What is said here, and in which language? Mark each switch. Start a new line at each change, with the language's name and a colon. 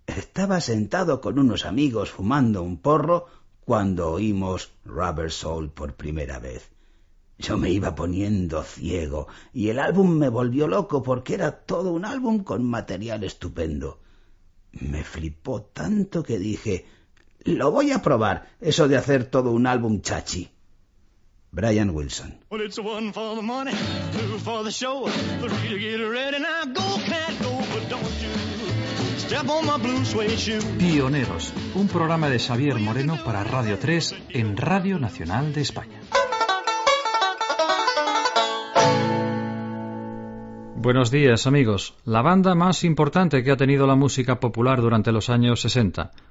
Spanish: estaba sentado con unos amigos fumando un porro cuando oímos Rubber Soul por primera vez. Yo me iba poniendo ciego y el álbum me volvió loco porque era todo un álbum con material estupendo. Me flipó tanto que dije, lo voy a probar, eso de hacer todo un álbum chachi. Brian Wilson.
English: Well, it's one for the money, two for the show, three to get ready and I go, can't go, but don't you step on my blue suede shoe.
Spanish: Pioneros, un programa de Xavier Moreno para Radio 3 en Radio Nacional de España. Buenos días, amigos. La banda más importante que ha tenido la música popular durante los años 60.